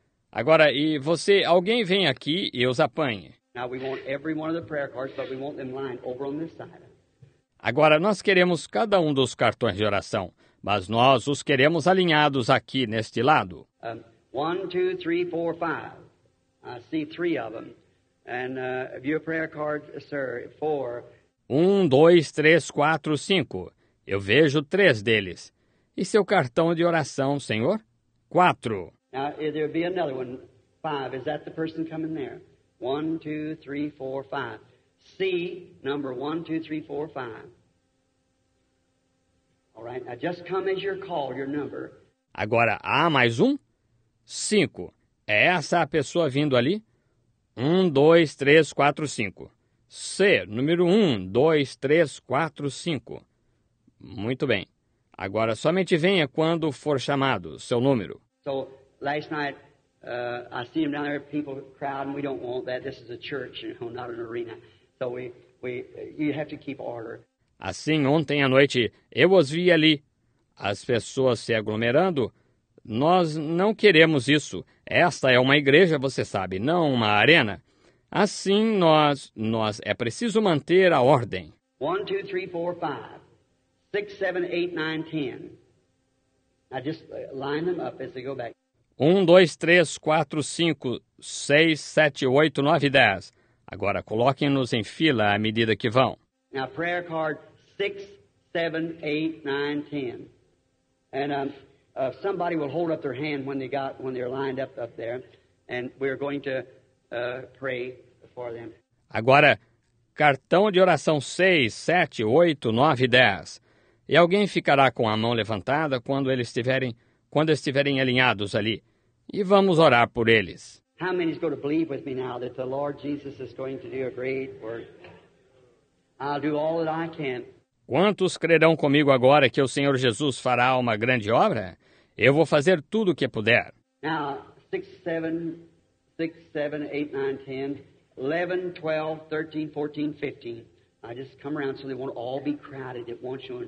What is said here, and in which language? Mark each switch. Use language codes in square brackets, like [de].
[pt] Agora, e você, alguém vem aqui e os apanhe. [en] Now we want every one of the prayer cards, but we want them lined over on this side. [pt] Agora nós queremos cada um dos cartões de oração, mas nós os queremos alinhados aqui neste lado. [en] 1, 2, 3, 4, 5. I see 3 of them. And have you a prayer card, sir? 4. [pt] 1, 2, 3, 4, 5. Eu vejo 3 deles. E seu cartão de oração, senhor? 4. [en] Now there'll be another one. 5. Is that the person coming there? 1, 2, 3, 4, 5. C, number 1, 2, 3, 4, 5. All right, now just come as you're called, your number. [pt] Agora, há mais um? 5. É essa a pessoa vindo ali? 1, 2, 3, 4, 5. C, número 1, 2, 3, 4, 5. Muito bem. Agora, somente venha quando for chamado, seu número. [en] So, last night, I see them down there, people crowd, and we don't want that. This is a church, you know, not an arena. So you have to keep order. [pt] Assim, ontem à noite, eu os vi ali, as pessoas se aglomerando. Nós não queremos isso. Esta é uma igreja, você sabe, não uma arena. Assim, nós é preciso manter a ordem. [en] 1, 2, 3, 4, 5, 6, 7, 8, 9, 10. I just line them up as they go back. [pt] 1, 2, 3, 4, 5, 6, 7, 8, 9, 10. Agora, coloquem-nos em fila à medida que vão. [en] Now, prayer card 6, 7, 8, 9, 10. And somebody will hold up their hand when they're lined up there. And we're going to pray for them. [pt] Agora, cartão de oração 6, 7, 8, 9, 10. E alguém ficará com a mão levantada quando estiverem alinhados ali. E vamos orar por eles. [en] How many is going to believe with me now that the Lord Jesus is going to do a great work? I'll do all that I can. [pt] Quantos crerão comigo agora que o Senhor Jesus fará uma grande obra? Eu vou fazer tudo o que puder. [en] Now, 6, 7, 8, 9, 10, 11, 12, 13, 14, 15. I just come around so they won't all be crowded at once.